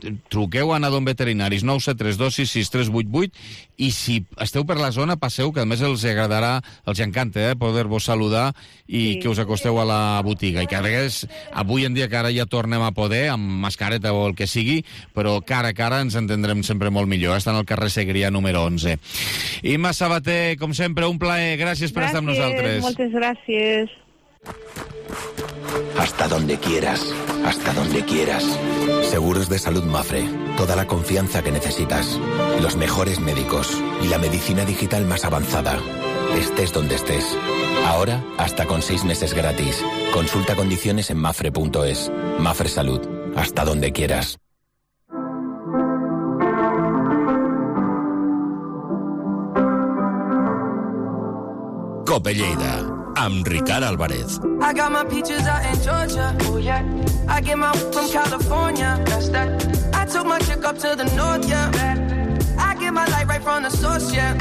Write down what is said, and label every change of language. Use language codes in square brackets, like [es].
[ca] Truqueu a Nadon Veterinaris, 973266388, i si esteu per la zona, passeu, que a més els agradarà, els encanta poder-vos saludar i sí, que us acosteu a la botiga. I que a vegades, avui en dia, que ara ja tornem a poder, amb mascareta o el que sigui, però cara a cara ens entendrem sempre molt millor. Estan al carrer Segrià número 11. Imma Sabater, com sempre, un plaer. Gràcies per estar amb nosaltres. Moltes gràcies. [es] Hasta donde quieras, hasta donde quieras. Seguros de salud Mafre. Toda la confianza que necesitas. Los mejores médicos y la medicina digital más avanzada. Estés donde estés. Ahora, hasta con 6 meses gratis. Consulta condiciones en mafre.es. Mafre Salud. Hasta donde quieras. [ca] Cope Lleida, amb Ricard Álvarez. [en] I got my peaches out in Georgia, oh yeah. I get my weed from California, that's that. I took my chick up to the north, yeah. I get my light right from the source, yeah.